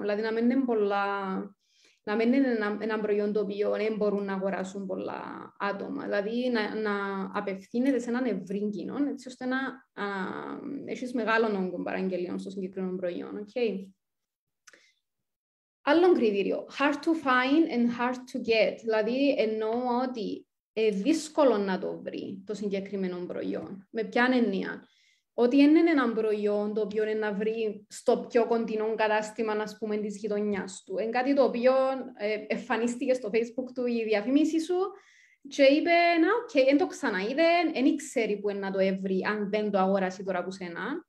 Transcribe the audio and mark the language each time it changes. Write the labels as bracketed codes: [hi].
[el] Δηλαδή, να μην είναι πολλά... Να μην είναι ένα προϊόν το οποίο δεν μπορούν να αγοράσουν πολλά άτομα. Δηλαδή να απευθύνεται σε έναν ευρύ κοινό, έτσι ώστε να έχεις μεγάλο όγκο παραγγελιών στο συγκεκριμένο προϊόν. Okay. Άλλο κριτήριο. [en] Hard to find and hard to get. [el] Δηλαδή εννοώ ότι δύσκολο να το βρει το συγκεκριμένο προϊόν. Με ποια έννοια. Ότι είναι ένα προϊόν το οποίο είναι να βρει στο πιο κοντινό κατάστημα, ας πούμε, της γειτονιάς του. Είναι κάτι το οποίο εμφανίστηκε στο Facebook του η διαφημίση σου και είπε, να, οκ, okay, δεν το ξαναείδε, δεν ξέρει που είναι να το έβρει αν δεν το αγοράσει τώρα από σένα.